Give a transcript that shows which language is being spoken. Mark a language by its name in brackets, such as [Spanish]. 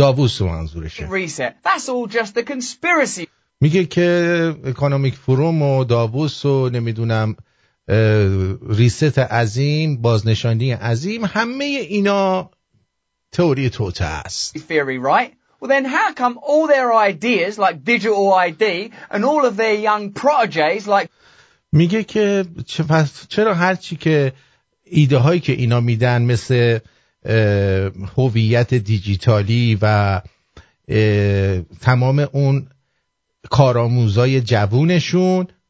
[Persian] Davos منظورشه [English] Reset. That's all just the conspiracy. [Persian] میگه که اکانومیک فروم و داووس و نمیدونم ریست عظیم، بازنشانی عظیم، همه اینا تئوری توته است. [English] Theory, right? Well, then how come all their ideas like digital ID and all of their young proteges like... [Persian] میگه که پس چرا هرچی که ایده هایی که اینا میدن مثل هویت دیجیتالی و تمام اون کارآموزای جوونشون